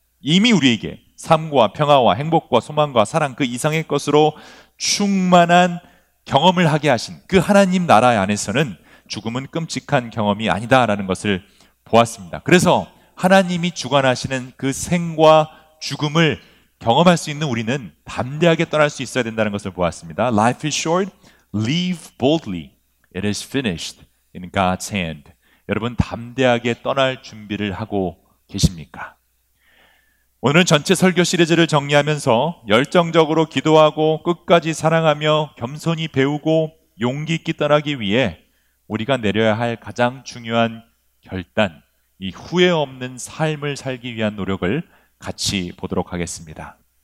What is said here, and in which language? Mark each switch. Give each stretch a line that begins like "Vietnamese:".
Korean: 이미 우리에게 삶과 평화와 행복과 소망과 사랑 그 이상의 것으로 충만한 경험을 하게 하신 그 하나님 나라 안에서는 죽음은 끔찍한 경험이 아니다라는 것을 보았습니다. 그래서 하나님이 주관하시는 그 생과 죽음을 경험할 수 있는 우리는 담대하게 떠날 수 있어야 된다는 것을 보았습니다.
English: Life is short. Leave boldly. It is finished in God's hand.
Korean: 여러분 담대하게 떠날 준비를 하고 계십니까? 오늘은 전체 설교 시리즈를 정리하면서 열정적으로 기도하고 끝까지 사랑하며 겸손히 배우고 용기 있게 떠나기 위해 우리가 내려야 할 가장 중요한 결단, 이 후회 없는 삶을 살기 위한 노력을 같이 보도록 하겠습니다.